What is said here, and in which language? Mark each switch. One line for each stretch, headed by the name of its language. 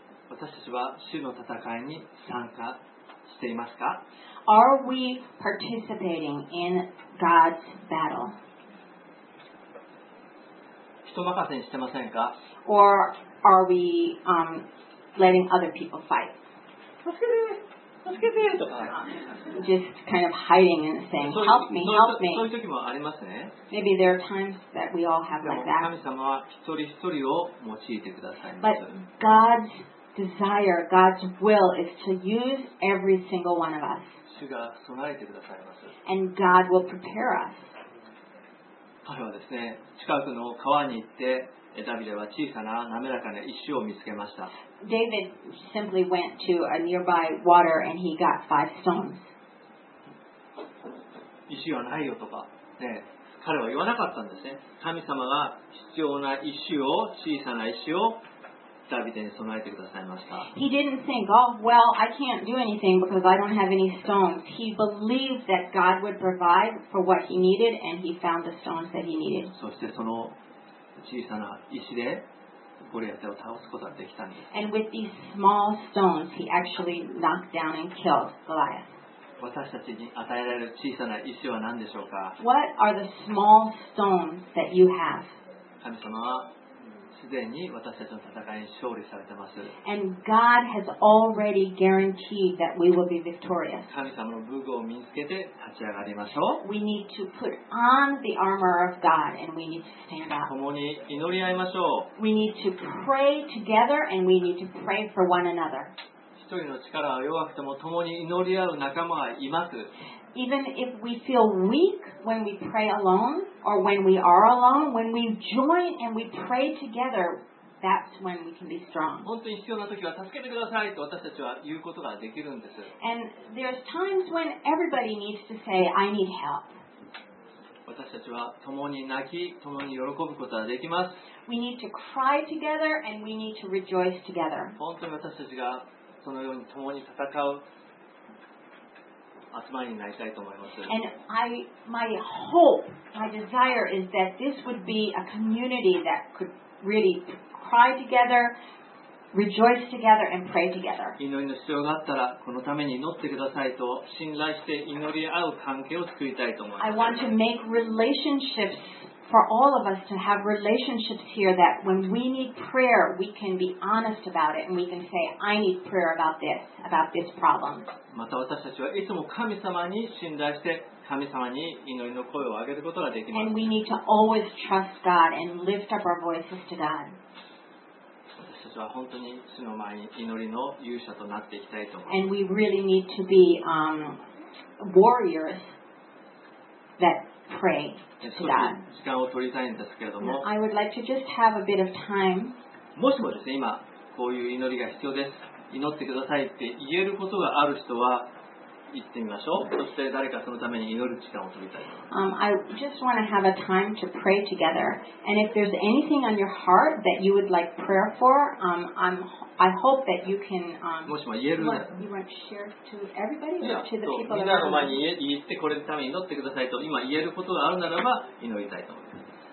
Japanese: 私たちは主の戦いに参加していますか
English: Are we participating in God's battle?
Japanese: 人任せにしてませんか
English: Or are we... Letting other people fight.
Japanese: 助けて、助けてとか。
English: Just kind of hiding and saying, "Help me, help me."
Japanese: そういう時もありますね。
English: Maybe there are times that we all have like that.
Japanese: 神様は一人一人を用いてくださいます。
English: But God's desire, God's will is to use every single one of us.
Japanese: 主が備えてくださいます。
English: And God will prepare us.
Japanese: 彼はですね、近くの川に行って。ダビデは小さな滑らかな石を見つけました。
English: David simply went to a nearby water and he got five stones.
Japanese: 石はないよとか、ね、彼は言わなかったんですね。神様が必要な石を、小さな石をダビデに備えてくださいました。
English: He didn't think, oh, well, I can't do anything because I don't have any stones. He believed that God would provide for what he needed and he found the stones that he needed.
Japanese: そしてその小さな石でゴリアテを倒すことができたんです。
English: And with these small stones, he actually knocked down and killed Goliath.
Japanese: 私たちに与えられる小さな石は何でしょうか
English: ？What are the small stones that you have？
Japanese: 神様はすでに私たちの戦いに勝利されてます。
English: And God has already guaranteed that we will be victorious.
Japanese: 神様の武具を身につけて立ち上がりましょう。
English: We need to put on the armor of God and we need to stand up.
Japanese: 共に祈り合いましょう。
English: We need to pray together and we need to pray for one another.
Japanese: 一人の力は弱くても共に祈り合う仲間はいます。
English: Even if we feel weak when we pray alone or when we are alone, when we join and we pray together, that's when we can be strong.
Japanese: 本当に必要な時は助けてくださいと私たちは言うことができるんです。
English: And there's times when everybody needs to say, I need help.
Japanese: 私たちは共に泣き、共に喜ぶことができます。
English: We need to cry together and we need to rejoice together.
Japanese: 本当に私たちがそのように共に戦う集まりになりたいと思います。
English: And my hope, my desire is that this would be a community that could really cry together, rejoice together, and pray together.
Japanese: 祈りの必要があったら、このために祈ってくださいと信頼して祈り合う関係を作りたいと思います。
English: I want to make relationships for all of us to have relationships here that when we need prayer, we can be honest about it and we can say, I need prayer about this problem.
Japanese: また私たちはいつも神様に信頼して神様に祈りの声を上げることができます。
English: And we need to always trust God and lift up our voices to God.
Japanese: 私たちは本当に主の前に祈りの勇者となっていきたいと思います。
English: And we really need to be warriors that pray to God.
Japanese: 時間を取りたいんですけれども、
English: I would like to just have a bit of time.
Japanese: もしもですね、今こういう祈りが必要です。祈ってくださいって言えることがある人は言ってみましょう。そして誰かそのために祈る時間を取りたい。
English: I just want to have a time to pray together. And if there's anything on your heart that you would like prayer for, I hope that you can.
Japanese: もしも言えるなら。
English: You want to share to everybody or to the people?
Japanese: みんなの前に言ってこれのために祈ってくださいと今言えることがあるならば祈りたいと思います。